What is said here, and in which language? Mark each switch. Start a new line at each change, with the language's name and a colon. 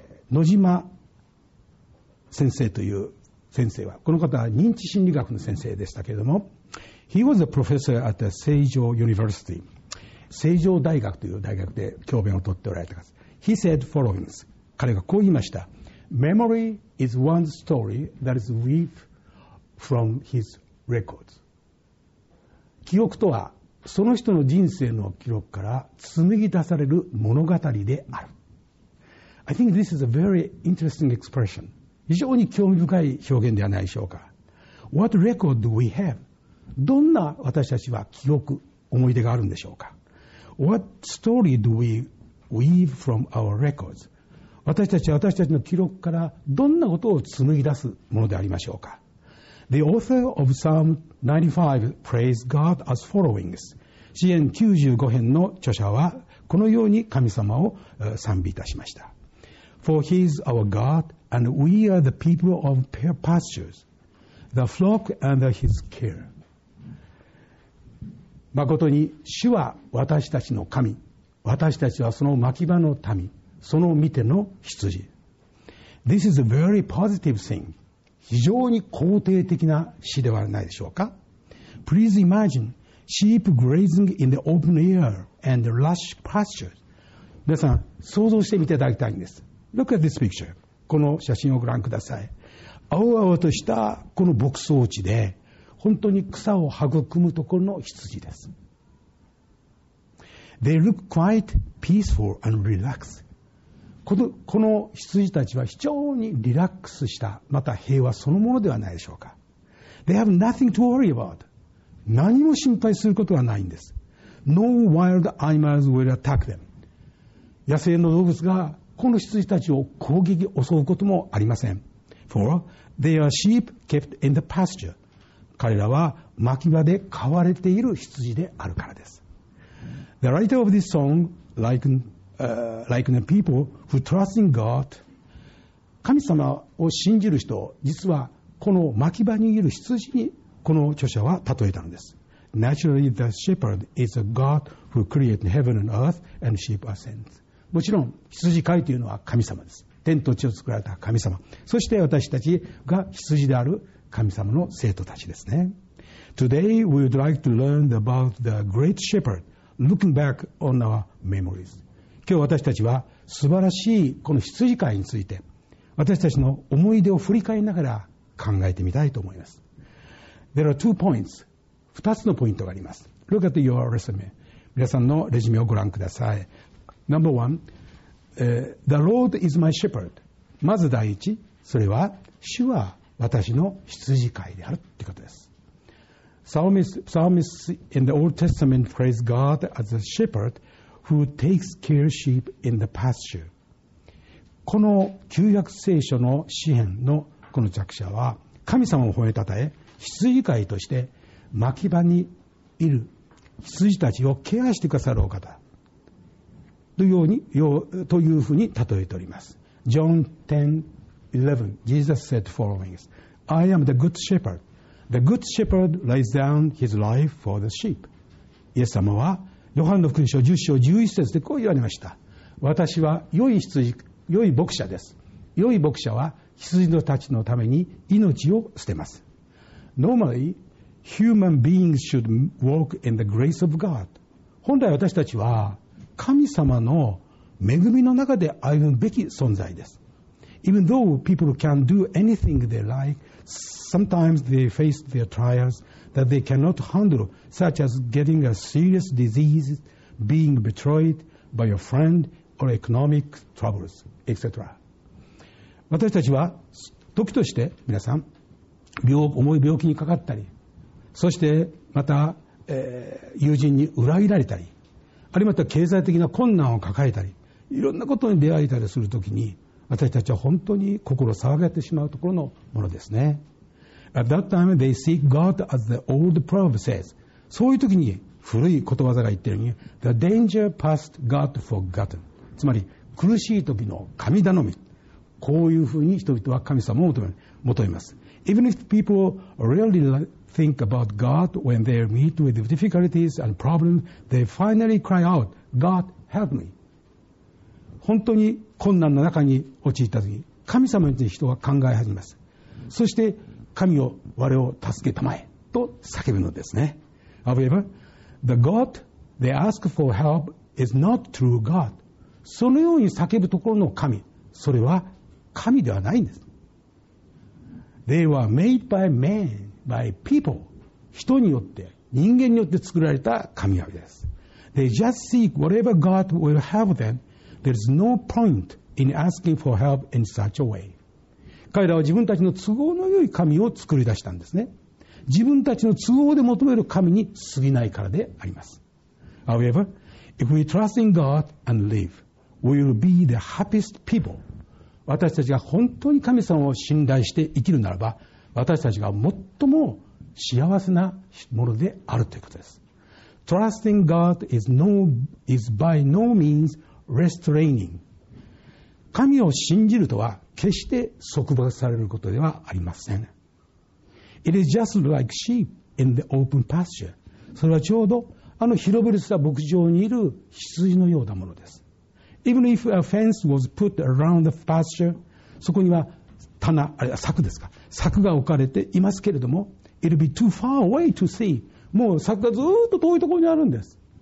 Japanese: 野島先生という先生は、この方は認知心理学の先生でしたけれども、
English: He was a professor at the 成城 University.
Japanese: 成城大学という大学で教鞭を取っておられたかつ。
English: He said followings.
Japanese: 彼がこう言いました。
English: Memory is one story that is weaved from his records.
Japanese: 記憶とはその人の人生の記録から紡ぎ出される物語である。
English: I think this is a very interesting expression.
Japanese: 非常に興味深い表現ではないでしょうか。
English: What record do we have?
Japanese: どんな私たちは記憶、思い出があるんでしょうか。
English: What story do we weave from our records?
Japanese: 私たちは私たちの記録からどんなことを紡ぎ出すものでありましょうか。
English: The author of Psalm 95 prays God as followings.
Japanese: 詩篇95編の著者はこのように神様を賛美いたしました。
English: For he is our God, and we are the people of pastures, the flock under his care.
Japanese: 誠に主は私たちの神、私たちはその牧場の民、その見ての羊。
English: This is a very positive thing.
Japanese: 非常に肯定的な詩ではないでしょうか。
English: Please imagine sheep grazing in the open air and lush pastures.
Japanese: 皆さん想像してみていただきたいんです。
English: Look at this picture.
Japanese: この写真をご覧ください。青々としたこの牧草地で本当に草を育むところの羊です。
English: They look quite peaceful and relaxed.
Japanese: この羊たちは非常にリラックスした、また平和そのものではないでしょうか。
English: They have nothing to worry about.
Japanese: 何も心配することがないんです。
English: No wild animals will attack them.
Japanese: 野生の動物がこの羊たちを攻撃、襲うこともありません。
English: For they are sheep kept in the pasture.
Japanese: 彼らは牧場で飼われている羊であるからです。
English: The writer of this song likened people who trust in God.
Japanese: 神様を信じる人、実はこの牧場にいる羊にこの著者は例えたんです。
English: Naturally, the shepherd is a God who created heaven and earth, and sheep are saints.
Japanese: もちろん、羊飼いというのは神様です。天と地を作られた神様。そして私たちが羊である神様の生徒たちですね。
English: Today, we would like to learn about the great shepherd, looking back on our memories.
Japanese: 今日私たちは素晴らしいこの羊飼いについて、私たちの思い出を振り返りながら考えてみたいと思います。
English: There are two points.
Japanese: 二つのポイントがあります。
English: Look at your resume.
Japanese: 皆さんのレジュメをご覧ください。
English: Number one, the Lord is my shepherd.
Japanese: まず第一、それは主は私の羊飼いであるということです。
English: Psalmist in the Old Testament praise God as a shepherd who takes care of sheep in the pasture.
Japanese: この旧約聖書の詩編のこの作者は神様を褒めたたえ、羊飼いとして牧場にいる羊たちをケアしてくださるお方というふうに例えております。
English: John 10:11, Jesus said following: I am the good shepherd. The good shepherd lays down his life for the sheep.
Japanese: イエス様はヨハンの福音書10章11節でこう言われました。私は良い牧者です。良い牧者は羊たちのために命を捨てます。
English: Normally, human beings should walk in the grace of God.
Japanese: 本来私たちは神様の恵みの中で歩むべき存在です。
English: Even though people can do anything they like, sometimes they face their trials that they cannot handle, such as getting a serious disease, being betrayed by a friend, or economic troubles, etc.
Japanese: 私たちは時として皆さん重い病気にかかったり、そしてまた、友人に裏切られたり、あるいはまた経済的な困難を抱えたり、いろんなことに出会えたりするときに、私たちは本当に心騒がれてしまうところのものですね。
English: At that time, they seek God as the old proverb says.
Japanese: そういうときに古いことわざが言っているように、
English: The danger past God forgotten.
Japanese: つまり、苦しいときの神頼み。こういうふうに人々は神様を求めます。
English: Even if people really think about God when they meet with difficulties and problems, they finally cry out, God, help me.
Japanese: 本当に困難の中に陥ったとき、神様について人は考え始めます。そして、神を我を助けたまえと叫ぶのですね。
English: However, the God they ask for help is not true God.
Japanese: そのように叫ぶところの神、それは神ではないんです。
English: They were made by man, by people.
Japanese: 人によって、人間によって作られた神々です。
English: They just seek whatever God will help them. There's no point in asking for help in such a way.
Japanese: 彼らは自分たちの都合の良い神を作り出したんですね。自分たちの都合で求める神に過ぎないからであります。
English: However, if we trust in God and live, we will be the happiest people.
Japanese: 私たちが本当に神様を信頼して生きるならば、私たちが最も幸せなものであるということです。
English: Trusting God is by no means restraining.
Japanese: 神を信じるとは決して束縛されることではありません。
English: It is just like sheep in the open pasture.
Japanese: それはちょうどあの広々とした牧場にいる羊のようなものです。
English: Even if a fence was put around the pasture,
Japanese: そこには棚、あれは柵ですか。柵が置かれていますけれども、
English: it'll be too far away to see.
Japanese: もう柵がずっと遠いところにあるんです。